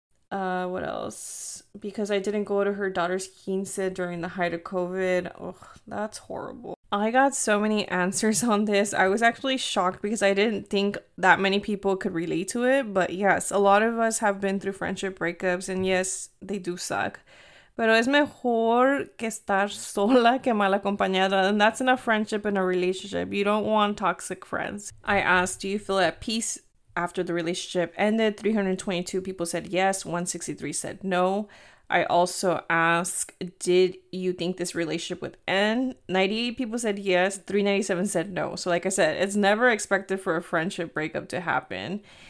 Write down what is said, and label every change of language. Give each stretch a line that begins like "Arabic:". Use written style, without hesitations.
English: What else? Because I didn't go to her daughter's quince during the height of COVID. Ugh, that's horrible. I got so many answers on this. I was actually shocked because I didn't think that many people could relate to it. But yes, a lot of us have been through friendship breakups. And yes, they do suck.
Spanish: Pero es mejor que estar sola que mal acompañada.
English: And that's in a friendship and a relationship. You don't want toxic friends. I asked, do you feel at peace after the relationship ended? 322 people said yes. 163 said no. I also asked, did you think this relationship would end? 98 people said yes. 397 said no. So like I said, it's never expected for a friendship breakup to happen.